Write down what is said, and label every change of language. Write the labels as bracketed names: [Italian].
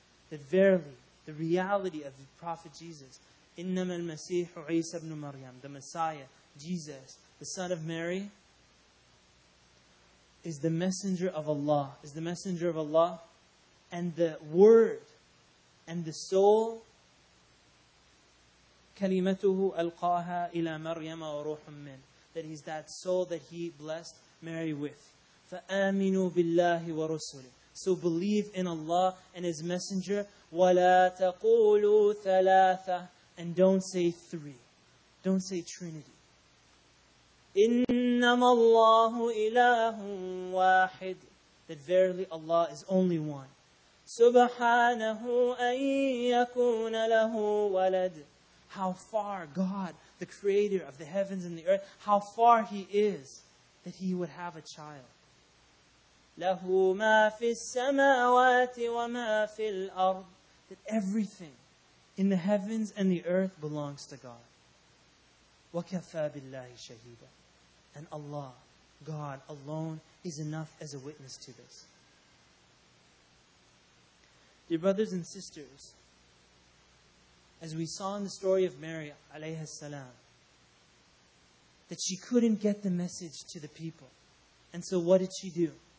[English] That verily, the reality of the Prophet Jesus, [Arabic] إنما المسيح عيسى بن مريم, [English] the Messiah, Jesus, the son of Mary, is the messenger of Allah, is the messenger of Allah, and the word and the soul [Arabic] كلمته ألقاها إلى مريم وروح من. [English] That is that soul that he blessed Mary with. [Arabic] فآمنوا بالله ورسله. [English] So believe in Allah and His Messenger. [Arabic] ولا تقولوا ثلاثة. [English] And don't say three. Don't say Trinity. [Arabic] إنما الله إله واحد. [English] That verily Allah is only one. [Arabic] سبحانه أن يكون له ولد. [English] How far God, the creator of the heavens and the earth, how far He is that He would have a child. [Arabic] له ما في السماوات وما في الأرض. [English] That everything in the heavens and the earth belongs to God. [Arabic] وكفى بالله شهيدا. [English] And Allah, God alone, is enough as a witness to this. Dear brothers and sisters, as we saw in the story of Mary, alayhi salam, that she couldn't get the message to the people. And so what did she do?